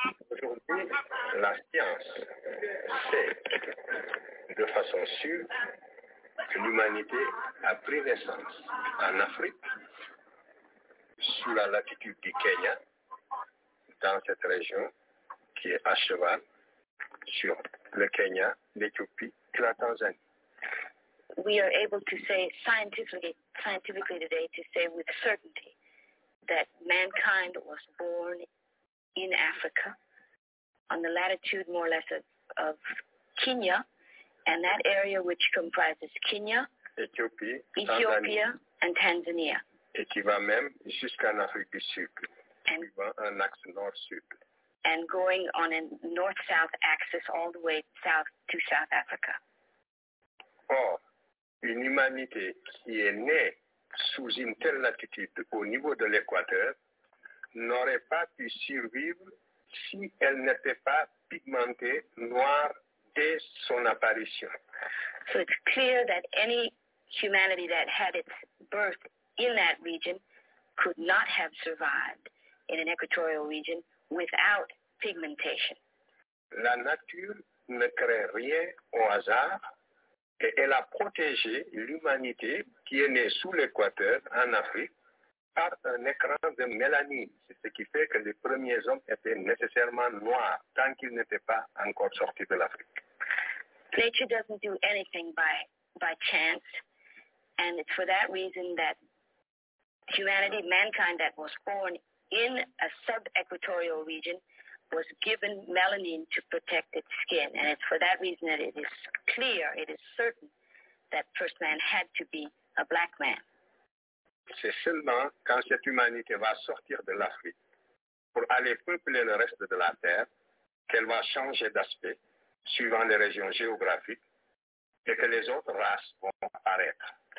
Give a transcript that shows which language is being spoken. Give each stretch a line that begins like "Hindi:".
French: Aujourd'hui, la science sait de façon sûre que l'humanité a pris naissance en Afrique, sous la latitude du Kenya, dans cette région qui est à cheval sur le Kenya, l'Éthiopie et la Tanzanie.
English: We are able to say scientifically today to say with certainty that mankind was born in Africa on the latitude more or less of Kenya, and that area which comprises Kenya, Ethiopia, and Tanzania.
French: Et qui va même jusqu'en Afrique du Sud, suivant un axe nord-sud.
English: And going on a north-south axis all the way south to South Africa.
French: Or, une humanité qui est née sous une telle latitude au niveau de l'équateur n'aurait pas pu survivre si elle n'était pas pigmentée noire dès son apparition.
English: So it's clear that any humanity that had its birth in that region could not have survived in an equatorial region without pigmentation.
French: La nature ne crée rien au hasard. Et elle a protégé l'humanité qui est née sous l'équateur en Afrique par un écran de mélanine. C'est ce qui fait que les premiers hommes étaient nécessairement noirs tant qu'ils n'étaient pas encore sortis de l'Afrique.
English: Nature doesn't do anything by chance. And it's for that reason that humanity, mankind that was born in a sub-equatorial region was given melanin to protect its skin. And it's for that reason that it is clear, it is certain, that first man had to be a black man.
French: C'est seulement quand cette humanité va sortir de l'Afrique pour aller peupler le reste de la Terre qu'elle va changer d'aspect suivant les régions géographiques et que les autres races vont apparaître.